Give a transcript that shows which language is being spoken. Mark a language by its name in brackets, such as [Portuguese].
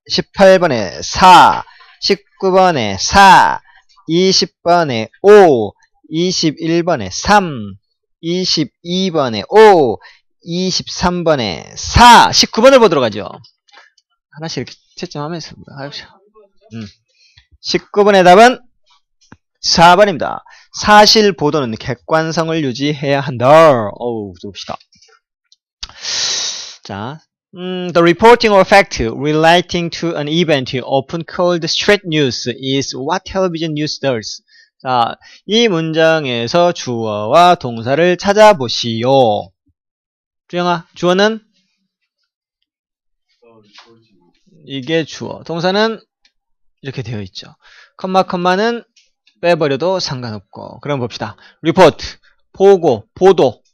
[Korean] 18번에 4, 19번에 4, 20번에 5, 21번에 3, 22번에 5, 23번에 4, 19번을 보도록 하죠. 하나씩 이렇게 채점하면서 하십시오. 19번의 답은 4번입니다. 사실 보도는 객관성을 유지해야 한다. 어우, 봅시다. [English] 자, the reporting of fact relating to an event often called straight news is what television news does. [Korean] 자, 이 문장에서 주어와 동사를 찾아보시오. 주영아, 주어는? 이게 주어. 동사는? 이렇게 되어 있죠. 컴마, 컴마는? 빼버려도 상관없고. 그럼 봅시다. Report, 보고, 보도.